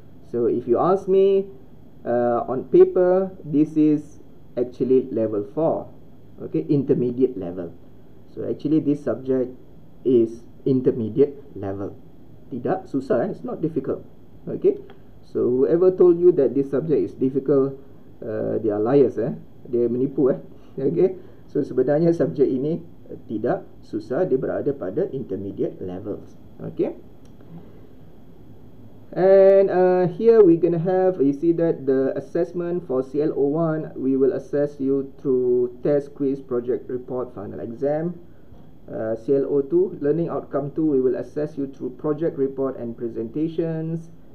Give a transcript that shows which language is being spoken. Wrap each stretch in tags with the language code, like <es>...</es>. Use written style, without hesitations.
<en>So if you ask me on paper, this is actually level 4. Okay, intermediate level. So actually this subject is intermediate level.</en> <ms>Tidak susah,</ms> <en>it's not difficult. Okay. So whoever told you that this subject is difficult, they are liars, eh? They menipu, eh? Okay.</en> <ms>So sebenarnya subjek ini tidak susah, dia berada pada intermediate levels.</ms> <en>Okay. And here we're gonna have, you see that the assessment for CLO1, we will assess you through test, quiz, project report, final exam. CLO2, learning outcome 2, we will assess you through project report and presentations.</en>